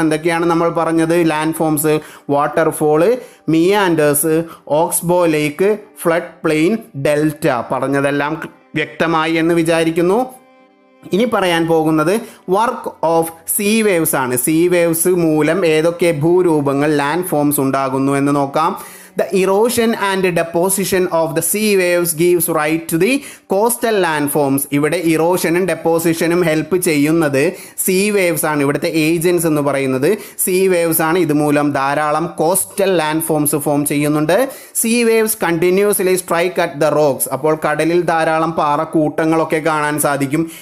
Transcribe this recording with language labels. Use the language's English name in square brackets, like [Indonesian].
[Malayalam] എന്തൊക്കെയാണ് നമ്മൾ പറഞ്ഞത്? Land forms, waterfall, meanders, oxbow ലേക്ക്, ഫ്ലഡ് പ്ലെയിൻ, ഡെൽറ്റ. പറഞ്ഞതെല്ലാം വ്യക്തമായി എന്ന് വിചാരിക്കുന്നു. ഇനി പറയാൻ പോകുന്നത് വർക്ക് ഓഫ് സീ വേവ്സ് ആണ്. സീ വേവ്സ് മൂലം ഏതൊക്കെ ഭൂരൂപങ്ങൾ ലാൻഡ് ഫോംസ് ഉണ്ടാകുന്നു എന്ന് നോക്കാം. [English] The erosion and deposition of the sea waves gives right to the coastal landforms. [Malayalam] ഇവിടെ ഇറോഷനും ഡെപ്പോസിഷനും ഹെൽപ്പ് ചെയ്യുന്നത് സീ വേവ്സ് ആണ്. ഇവിടുത്തെ ഏജൻസ് എന്ന് പറയുന്നത് സീ വേവ്സ് ആണ്. ഇതുമൂലം ധാരാളം കോസ്റ്റൽ ലാൻഡ് ഫോംസ് ഫോം ചെയ്യുന്നുണ്ട്. [English] Sea waves continuously strike at the rocks. [Malayalam] അപ്പോൾ കടലിൽ ധാരാളം പാറക്കൂട്ടങ്ങളൊക്കെ കാണാൻ സാധിക്കും.